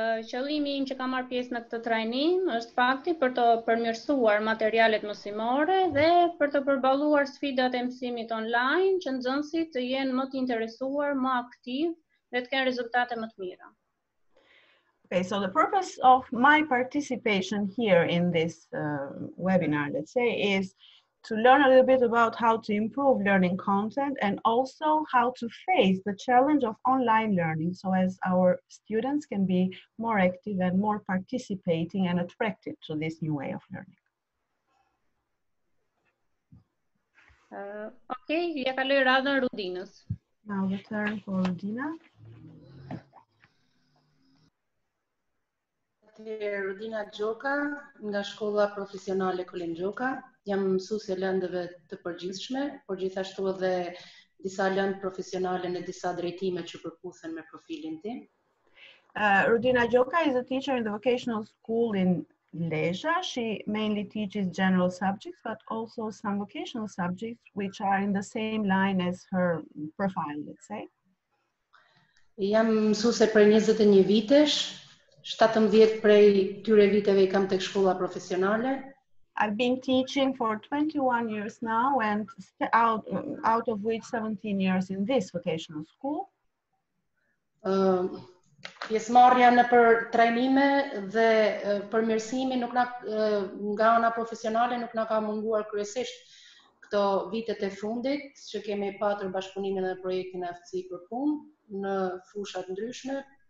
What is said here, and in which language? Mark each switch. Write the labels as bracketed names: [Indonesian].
[Albanian] Qëllimi im që kam marr pjesë në këtë trajnim është fakti për të përmirësuar materialet mësimore dhe për të përballuar sfidat e mësimit online që nxënësit të jenë më të interesuar, më aktiv dhe të kenë rezultate më të mira. [English] Okay, so the purpose of my participation here in this webinar, let's say, is to learn a little bit about how to improve learning content and also how to face the challenge of online learning so as our students can be more active and more participating and attracted to this new way of learning. [Albanian] Okay, ja kaloj radhën Rudinës. [English] Now the turn for Rudina. [Albanian] Rudina Gjoka, nga shkolla profesionale Kolin Gjoka. Jam mësuesi lëndëve të përgjithshme, por gjithashtu edhe disa lëndë profesionale në disa drejtime që përputhen me profilin tim. [English] Rudina Gjoka is a teacher in the vocational school in Lezhë. She mainly teaches general subjects, but also some vocational subjects which are in the same line as her profile, let's say. [Albanian] Jam mësuese për 21 vitesh, 17 prej tyre viteve i kam tek shkolla profesionale. [English] I've been teaching for 21 years now and out of which 17 years in this vocational school. [Albanian] Pjesëmarrja në për trajnime dhe përmirësimi nuk na nga ana profesionale nuk na ka munguar kryesisht këto vitet e fundit që kemi patur bashkëpunimin në projektin aftësi për punë në fusha të ndryshme,